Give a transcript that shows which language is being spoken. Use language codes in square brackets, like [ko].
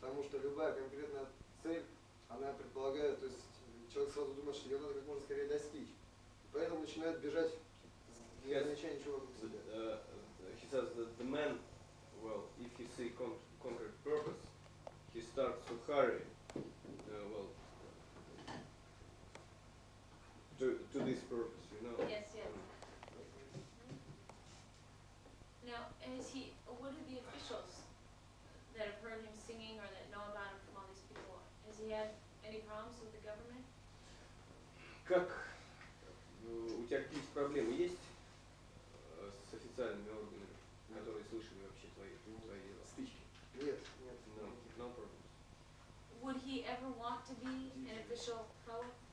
[ru] Потому что любая конкретная цель, она предполагает, то есть человек сразу думает, что ее надо как можно скорее достичь. И поэтому начинает бежать, не замечая ничего вокруг себя. [en] He says that the man, well, if he see concrete purpose, he starts to hurry. To this purpose, you know. Yes, yes. Now, is he? What are the officials that have heard him singing or that know about him from all these people? Has he had any problems with the government? [ru] Как у тебя какие-то проблемы есть с официальными органами, которые слышали вообще твои дела? Стычки? Нет, нет. [en] No problems. Would he ever want to be an official poet?